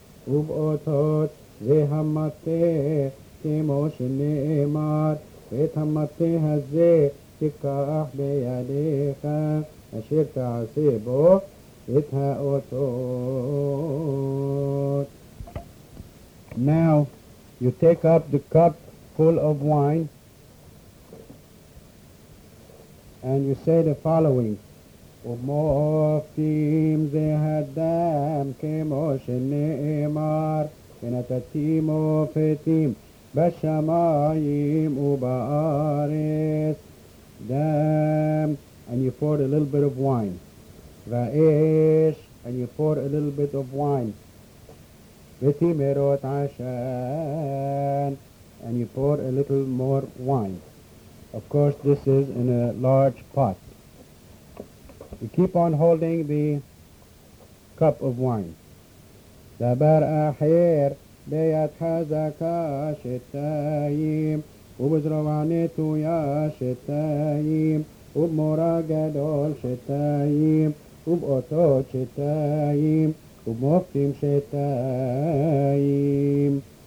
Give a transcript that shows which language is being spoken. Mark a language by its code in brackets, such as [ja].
[he] ובאותות זה המטה, כמו שנאמר, את המטה הזה תיקח בידיך, אשר תעשה בו את האותות. [en] Now you take up the cup full of wine and you say the following. [he] ומופתים זה הדם כמו שנאמר, ונתתי מופתים בשמיים ובארץ. [en] דם, and you pour a little bit of wine. ואש, and you pour a little bit of wine. [he] ותימרות עשן, [en] and you pour a little more wine. Of course, this is in a large pot. You keep on holding the cup of wine. [he] דבר אחר ביד חזקה שתיים, ובזרוע נטויה שתיים, ובמורה גדול שתיים, ובאותות שתיים, ובמופתים שתיים.